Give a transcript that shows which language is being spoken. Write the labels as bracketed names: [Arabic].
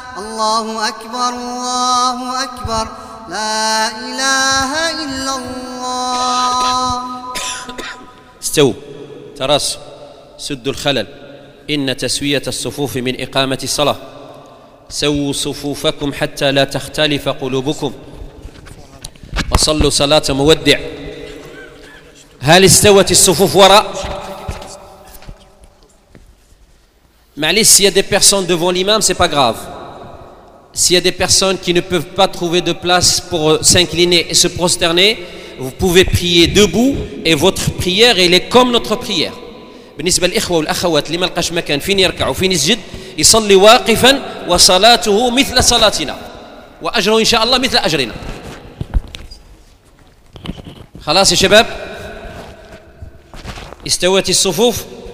[Arabic] الله أكبر الله أكبر. لا إله إلا الله. استو ترس سد الخلل. إن تسوية الصفوف من إقامة الصلاة. سووا صفوفكم حتى لا تختلف قلوبكم وصلوا صلاة مودع. هل استوت الصفوف وراء؟ معليش, [French] s'il y a des personnes devant l'imam, c'est pas grave. S'il y a des personnes qui ne peuvent pas trouver de place pour s'incliner et se prosterner, vous pouvez prier debout et votre prière, elle est comme notre prière. [Arabic] بالنسبة للإخوة والأخوات اللي ما لقاش مكان فين يركع وفين يسجد, يصلي واقفا وصلاته مثل صلاتنا وأجره إن شاء الله مثل أجرنا. خلاص يا شباب, استوت الصفوف.